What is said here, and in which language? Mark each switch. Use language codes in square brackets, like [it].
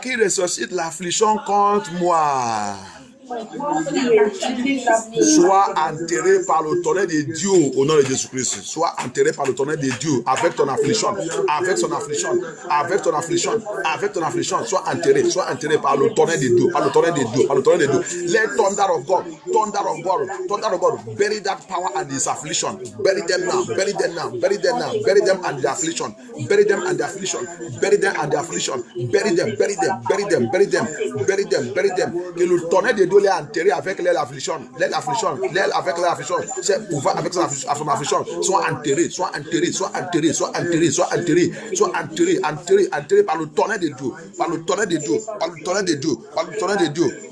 [fr] qui ressuscite l'affliction contre moi. Soit enterré par le tonnerre de Dieu au nom de Jésus-Christ. Soit enterré par le tonnerre de Dieu avec ton affliction. Avec son affliction. Avec ton affliction. Avec ton affliction. Soit enterré par le tonnerre de Dieu. Par le tonnerre de Dieu. Par le tonnerre de Dieu. [en] Let thunder of God. [fr] Thunder of God. Thunder of God. [en] Bury that power and his affliction. Bury them now. Bury them now. Bury them now. Bury them and the affliction. Bury them and the affliction. Bury them and the affliction. Bury them. Bury them. Bury them. Bury them. Bury them. Bury them. [fr] Que le tonnerre de Dieu l'ait enterré avec l'affliction, l'affliction, avec l'affliction, c'est pouvoir avec son affliction, soit enterré, soit enterré, soit enterré, soit enterré, soit enterré, soit enterré, enterré, enterré par le tonnerre de Dieu, par le tonnerre de Dieu, par le tonnerre de Dieu, par le tonnerre de Dieu.